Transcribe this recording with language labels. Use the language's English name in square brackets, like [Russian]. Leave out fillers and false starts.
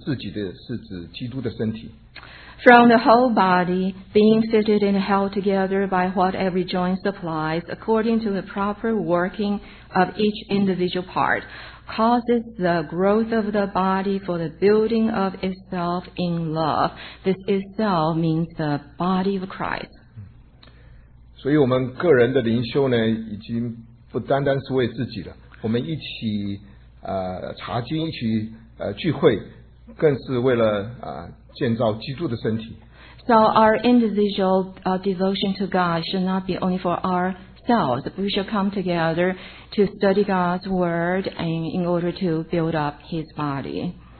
[Chinese] 全身都靠他联络的合适，百节各按各职，照着个体的功用彼此相助，便叫身体渐渐增长，在爱中建立自己。这自己的是指基督的身体。 [English] From the whole body, being fitted and held together by what every joint supplies, according to the proper working of each individual part, causes the growth of the body for the building of itself in love. This itself means the body of Christ. [Chinese] 所以我们个人的灵修呢，已经不单单是为自己了。我们一起查经，一起聚会，更是为了建造基督的身体。 [English] So our individual devotion to God should not be only for ourselves. We should come together to study God's word and in order to build up his body.